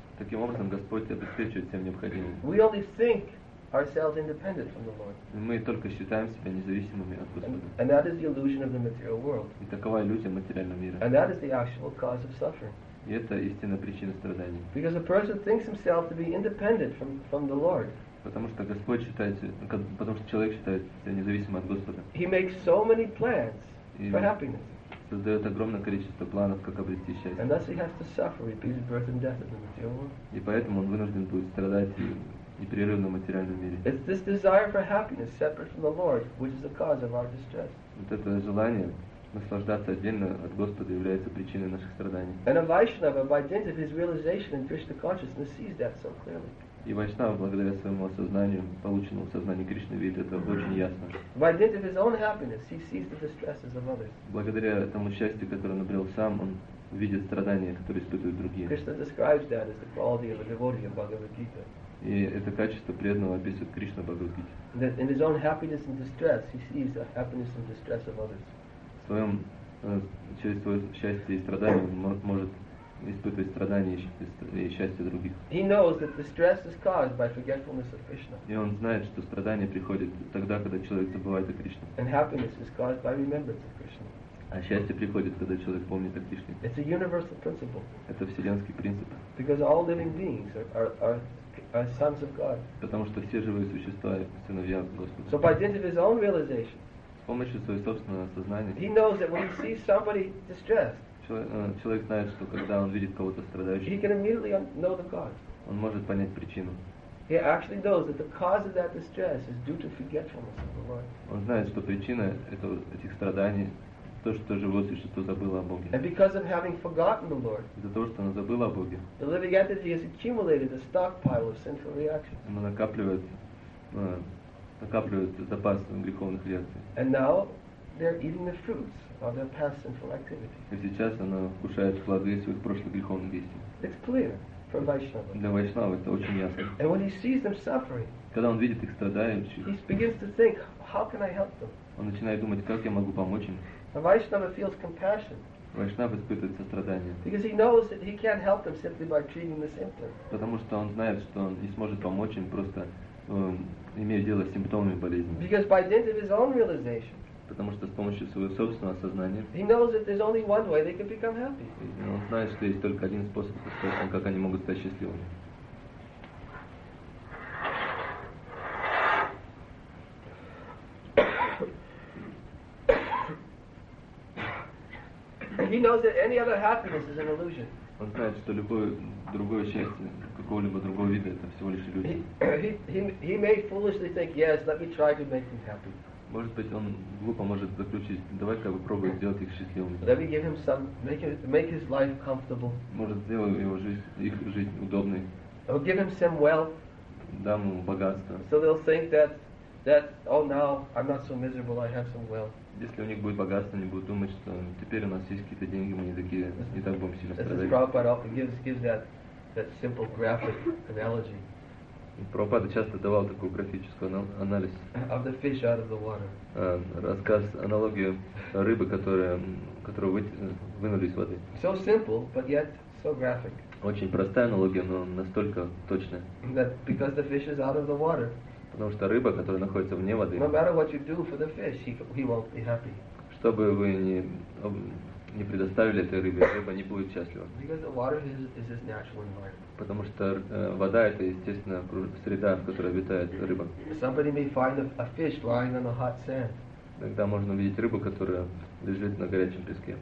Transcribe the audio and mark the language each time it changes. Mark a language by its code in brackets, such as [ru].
[ru] Таким образом, Господь обеспечивает всем необходимым. [en] We only think ourselves independent from the Lord. [ru] Мы только считаем себя независимыми от Господа. [en] And that is the illusion of the material world. [ru] И такова иллюзия материального мира. [en] And that is the actual cause of suffering. [ru] И это истинная причина страданий. [en] Because a person thinks himself to be independent from the Lord. [ru] Потому что Господь считает, потому что человек считает себя независимым от Господа. [en] He makes so many plans for happiness. [ru] Создает огромное количество планов, как обрести счастье. [en] And thus he has to suffer repeated birth and death in the material world. [ru] И поэтому он вынужден будет страдать непрерывно в материальном мире. [en] It's this desire for happiness separate from the Lord, which is the cause of our distress. [ru] Вот это желание наслаждаться отдельно от Господа является причиной наших страданий. [en] And a Vaishnava, by dint of his realization in Krishna consciousness, sees that so clearly. [ru] И Вайшнава, благодаря своему осознанию, полученному в сознании Кришны, видит это очень ясно. [en] By dint of his own happiness, he sees the distresses of others. [ru] Благодаря тому счастью, которое он обрел сам, он видит страдания, которые испытывают другие. [en] Krishna describes that as the quality of a devotee in Bhagavad Gita. [ru] И это качество преданного описывает Кришна в Бхагавад Гите. [en] That in his own happiness and distress, he sees the happiness and distress of others. [ru] В своем через свое счастье и страдание он может испытывать страдания и счастье других. [en] He knows that the stress is caused by forgetfulness of Krishna. [ru] И он знает, что страдание приходит тогда, когда человек забывает о Кришне. [en] And happiness is caused by remembrance of Krishna. [ru] А счастье приходит, когда человек помнит о Кришне. [en] It's a universal principle. [ru] Это вселенский принцип. [en] Because all living beings are sons of God. [ru] Потому что все живые существа сыновья Господа. [en] So by dint of his own realization. [ru] С помощью своего собственного сознания. [en] He knows that when he sees somebody distressed. [ru] Человек знает, что когда он видит кого-то страдающего, [en] he can immediately know the cause. [ru] Он может понять причину. [en] He actually knows that the cause of that distress is due to forgetfulness of the Lord. [ru] Он знает, что причина этих страданий то, что живое существо забыло о Боге. [en] And because of having forgotten the Lord, [ru] из-за того, что оно забыло о Боге, [en] the living entity has accumulated a stockpile of sinful reactions. [ru] Оно накапливает запас греховных реакций. [en] And now they're eating the fruits of their past sinful activity. [ru] И сейчас оно кушает плоды своих прошлых греховных действий. [en] It's clear for Vaishnava. [ru] Для Вайшнавы это очень ясно. [en] And when he sees them suffering, [ru] когда он видит их страдающих, [en] he begins to think, how can I help them? [ru] Он начинает думать, как я могу помочь им. [en] A Vaishnava feels compassion. [ru] Vaishnava испытывает сострадание. [en] Because he knows that he can't help them simply by treating the symptom. [ru] Потому что он знает, что он не сможет помочь им просто имея дело с симптомами болезни. [en] Because by dint of his own realization. [ru] Потому что с помощью своего собственного сознания. [en] He knows that there's only one way they can become happy. [ru] Он знает, что есть только один способ, как они могут стать счастливыми. [en] He knows that any other happiness is an illusion. [ru] Он знает, что любое другое счастье какого-либо другого вида это всего лишь иллюзия. [en] He may foolishly think, yes, let me try to make them happy. [ru] Может быть, он глупо может заключить, давай-ка попробуем сделать их счастливыми. [en] Let me give him some, make his life comfortable. [ru] Может, сделаю его жизнь, их жизнь удобной. [en] I'll give him some wealth. [ru] Дам ему богатство. [en] So they'll think that oh now I'm not so miserable, I have some wealth. [ru] Если у них будет богатство, они будут думать, что теперь у нас есть какие-то деньги, мы не так будем сильно страдать. [en] This is Prabhupada often gives that simple graphic analogy. [ru] Прабхупада часто давал такую графическую анализ. [en] Of the fish out of the water. [ru] Рассказ, аналогию рыбы, которую вынули из воды. [en] So simple, but yet so graphic. [ru] Очень простая аналогия, но настолько точная. [en] That because the fish is out of the water. [ru] Потому что рыба, которая находится вне воды. [en] No matter what you do for the fish, he won't be happy. [ru] Что бы вы ни предоставили этой рыбе, рыба не будет счастлива. [en] Because the water is his natural environment. [ru] Потому что вода это естественная среда, в которой обитает рыба. [en] Somebody may find a fish lying on the hot sand. [ru] Тогда можно увидеть рыбу, которая лежит на горячем песке.